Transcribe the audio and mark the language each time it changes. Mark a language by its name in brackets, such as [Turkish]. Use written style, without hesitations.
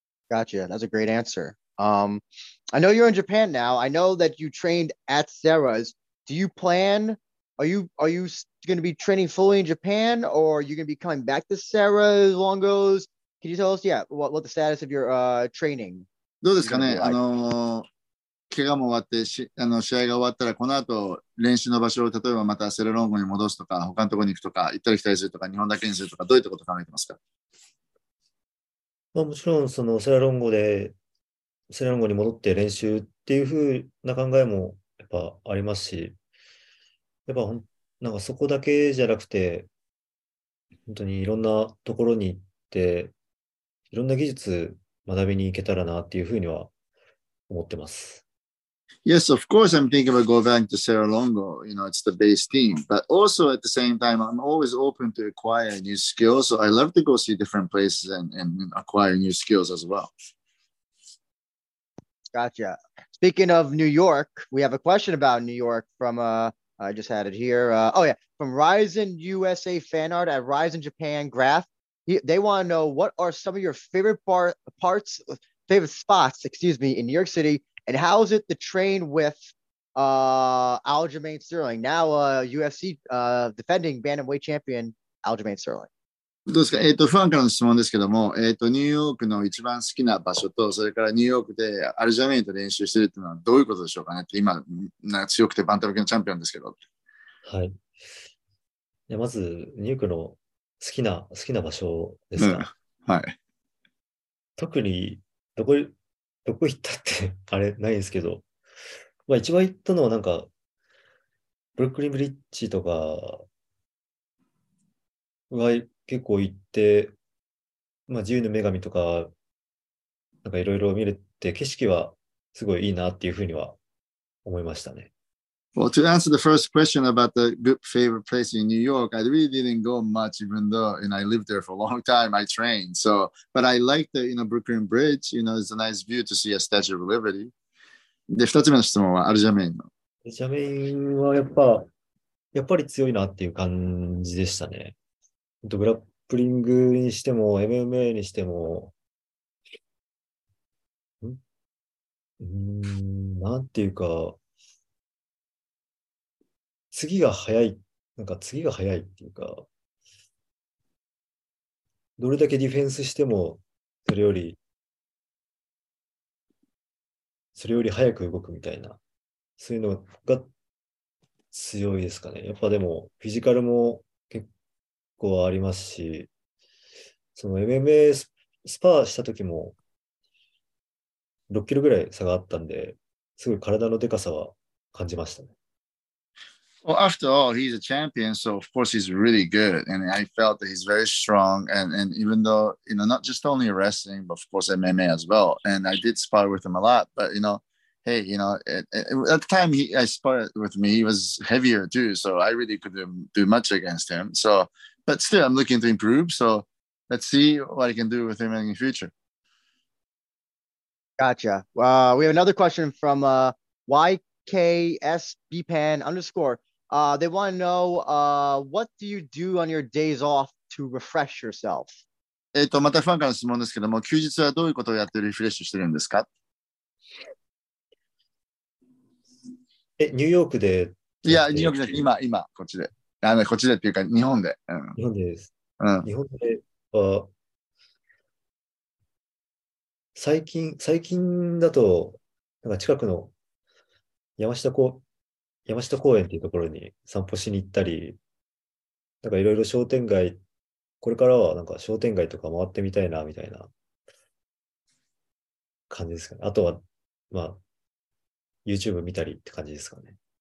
[English] Gotcha. That's a great answer. I know you're in Japan now. I know that you trained at Sarah's. Do you plan? Are you going to be training fully in Japan, or are you going to be coming back to Sarah's Longos? Can you tell us, what the status of your training? [Japanese] どうですかね。怪我も終わって、試合が終わったら、この後練習の場所を例えばまたセラロンゴに戻すとか、他のところに行くとか、行ったり来たりするとか、日本だけにするとか、どういったことを考えてますか。まあ、もちろんそのセラロンゴに戻って練習っていう風な考えもやっぱありますし。やっぱなんかそこだけじゃなくて、本当にいろんなところに行って、いろんな技術学びに行けたらなっていうふうには思ってます。 [English] Yes, of course, I'm thinking about going back to Cerro Longo. You know, it's the base team. But also at the same time, I'm always open to acquire new skills. So I love to go see different places and acquire new skills as well. Gotcha. Speaking of New York, we have a question about New York from I just had it here. From Ryzen USA Fan Art at Ryzen Japan Graph. They want to know, what are some of your favorite spots, in New York City, and how is it to train with Aljamain Sterling, now UFC defending bantamweight champion Aljamain Sterling? [Japanese] どうですか、ファンからの質問ですけども、ニューヨークの一番好きな場所と、それからニューヨークでアルジャメインと練習してるっていうのはどういうことでしょうかねって、今、な強くてバンタム級のチャンピオンですけど。はい。いや、まず、ニューヨークの好きな場所ですか、うん、はい。特に、どこ行ったって、あれ、ないんですけど、まあ、一番行ったのは、なんか、ブルックリンブリッジとか、は結構行って、まあ、自由の女神とか、なんかいろいろ見れて、景色はすごいいいなっていうふうには思いましたね。 [English] Well, to answer the first question about the good favorite place in New York, I really didn't go much, even though and I lived there for a long time. I trained. So, but I like the, you know, Brooklyn Bridge. You know, it's a nice view to see a Statue of Liberty. [Japanese] で、二つ目の質問はアルジャメインの。アルジャメインはやっぱり強いなっていう感じでしたね。グラップリングにしても、MMA にしても、なんていうか、次が早い、なんか次が早いっていうか、どれだけディフェンスしても、それより早く動くみたいな、そういうのが強いですかね。やっぱでも、フィジカルも、結構ありますし、その MMA スパーした時も6キロぐらい差があったんで、すごい体のデカさは感じましたね。 [English] Well, after all, he's a champion, so of course he's really good, and I felt that he's very strong, and even though, you know, not just only wrestling, but of course MMA as well, and I did spar with him a lot, but you know,Hey, you know, at the time I sparred with me, he was heavier too, so I really couldn't do much against him. So, but still, I'm looking to improve. So, let's see what I can do with him in the future. Gotcha. We have another question from YKSBPan_. They want to know, what do you do on your days off to refresh yourself? [Japanese] またファンからの質問ですけども、休日はどういうことをやってリフレッシュしてるんですか？ニューヨークで、いや、ニューヨークじゃなくて、今、こっちで。あの、こっちでっていうか、日本で。うん、日本でです。うん、日本で、最近だと、なんか近くの山下公園っていうところに散歩しに行ったり、なんかいろいろ商店街、これからはなんか商店街とか回ってみたいな、みたいな感じですかね。あとは、まあ、YouTube 見たりって感じですかね。